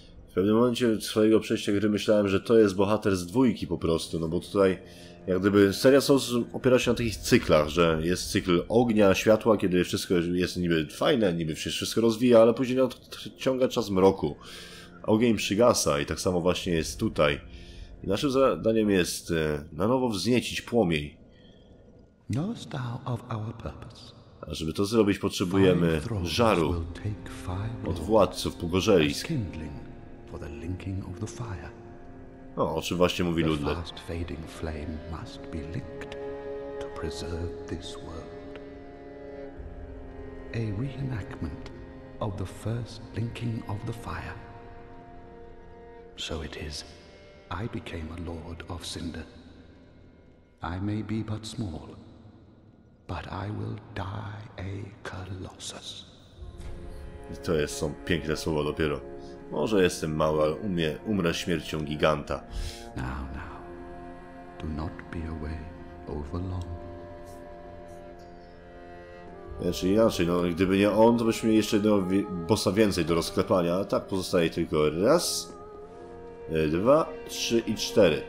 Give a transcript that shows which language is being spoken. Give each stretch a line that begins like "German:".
Polish: W pewnym momencie swojego przejścia gry myślałem, że to jest bohater z dwójki po prostu, no bo tutaj jak gdyby seria Souls opiera się na takich cyklach, że jest cykl ognia, światła, kiedy wszystko jest niby fajne, niby wszystko rozwija, ale później odciąga czas mroku. Ogień przygasa i tak samo właśnie jest tutaj. I naszym zadaniem jest na nowo wzniecić płomień.
English: Knowest thou of our purpose?
Polish: A żeby to zrobić, potrzebujemy żaru od władców pogorzelisk.
English: For the linking of the fire.
Polish: O, o czym właśnie mówi Ludle.
English: The fast fading flame must be linked to preserve this world. A reenactment of the first linking of the fire. So it is. I became a lord of Cinder. I may be but small, but I will die a colossus.
Polish: To jest są piękne słowa dopiero. Może jestem mała, ale umrę śmiercią giganta.
English: Now, now. Do not be away over long.
Polish: Znaczy inaczej, no gdyby nie on, to byśmy mieli jeszcze jednego bossa więcej do rozklepania, a tak pozostaje tylko raz, dwa, trzy i cztery.